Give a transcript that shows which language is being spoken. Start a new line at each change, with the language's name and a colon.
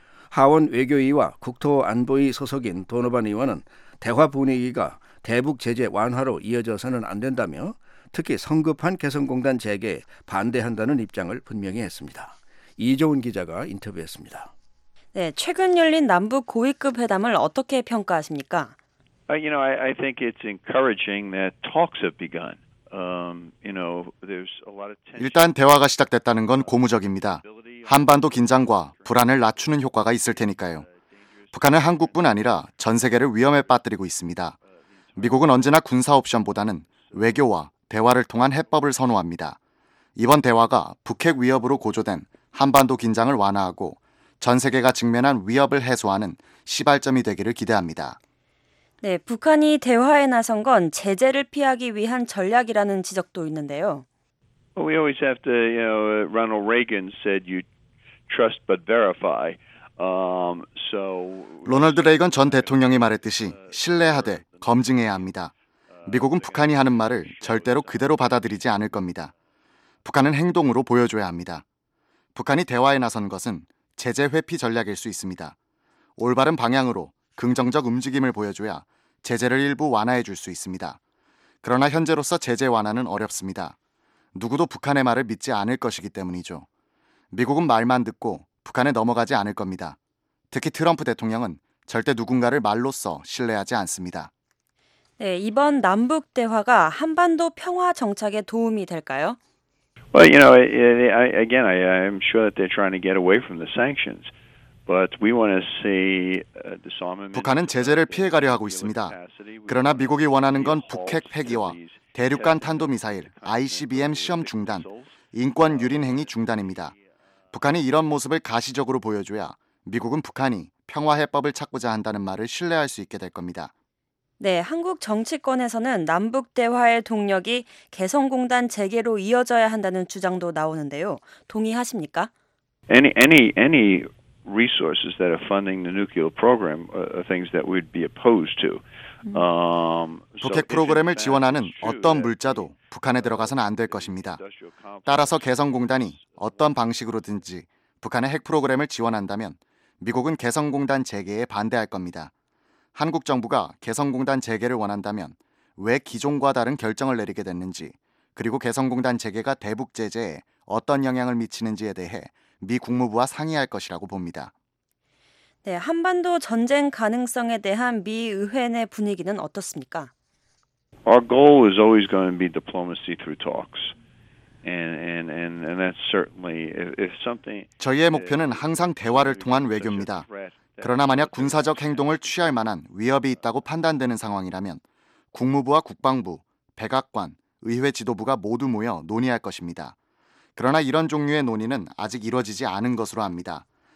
Korean: 하원 외교위와 국토안보위 소속인 도노반 의원은 대화 분위기가 대북 제재 완화로 이어져서는 안 된다며 특히 성급한 개성공단 재개에 반대한다는 입장을 분명히 했습니다. 이종훈 기자가 인터뷰했습니다. 네, 최근 열린 남북 고위급 회담을 어떻게 평가하십니까?
English: You know, I think it's encouraging that talks have begun. There's a lot of tension.
Korean: 일단 대화가 시작됐다는 건 고무적입니다. 한반도 긴장과 불안을 낮추는 효과가 있을 테니까요. 북한은 한국뿐 아니라 전 세계를 위험에 빠뜨리고 있습니다. 미국은 언제나 군사 옵션보다는 외교와 대화를 통한 해법을 선호합니다. 이번 대화가 북핵 위협으로 고조된 한반도 긴장을 완화하고 전 세계가 직면한 위협을 해소하는 시발점이 되기를 기대합니다. 네, 북한이 대화에 나선 건 제재를 피하기 위한 전략이라는 지적도 있는데요.
English: We always have to, you know, Ronald Reagan said you trust but verify. So
Korean: 로널드 레이건 전 대통령이 말했듯이 신뢰하되 검증해야 합니다. 미국은 북한이 하는 말을 절대로 그대로 받아들이지 않을 겁니다. 북한은 행동으로 보여줘야 합니다. 북한이 대화에 나선 것은 제재 회피 전략일 수 있습니다. 올바른 방향으로 긍정적 움직임을 보여줘야 제재를 일부 완화해 줄 수 있습니다. 그러나 현재로서 제재 완화는 어렵습니다. 누구도 북한의 말을 믿지 않을 것이기 때문이죠. 미국은 말만 듣고 북한에 넘어가지 않을 겁니다. 특히 트럼프 대통령은 절대 누군가를 말로써 신뢰하지 않습니다. 네, 이번 남북 대화가 한반도 평화 정착에 도움이 될까요?
English: Well, you know, again, I'm sure that they're trying to get away from the sanctions. But we want to see disarmament.
Korean: 북한은 제재를 피해 가려 하고 있습니다. 그러나 미국이 원하는 건 북핵 폐기와 대륙간 탄도 미사일 ICBM 시험 중단, 인권 유린 행위 중단입니다. 북한이 이런 모습을 가시적으로 보여줘야 미국은 북한이 평화 해법을 찾고자 한다는 말을 신뢰할 수 있게 될 겁니다. 네, 한국 정치권에서는 남북 대화의 동력이 개성공단 재개로 이어져야 한다는 주장도 나오는데요. 동의하십니까?
English: Any resources that are funding the nuclear program are things that we'd be opposed to.
Korean: 북핵 프로그램을 지원하는 어떤 물자도 북한에 들어가선 안 될 것입니다. 따라서 개성공단이 어떤 방식으로든지 북한의 핵 프로그램을 지원한다면 미국은 개성공단 재개에 반대할 겁니다. 한국 정부가 개성공단 재개를 원한다면 왜 기존과 다른 결정을 내리게 됐는지 그리고 개성공단 재개가 대북 제재에 어떤 영향을 미치는지에 대해 미 국무부와 상의할 것이라고 봅니다. 네, 한반도 전쟁 가능성에 대한 미 의회 내 분위기는 어떻습니까?
English: Our goal is always going to be diplomacy through talks. And that's certainly if something
Korean: 저희의 목표는 항상 대화를 통한 외교입니다. 그러나 만약 군사적 행동을 취할 만한 위협이 있다고 판단되는 상황이라면 국무부와 국방부, 백악관, 의회 지도부가 모두 모여 논의할 것입니다. 그러나 이런 종류의 논의는 아직 이루어지지 않은 것으로 압니다.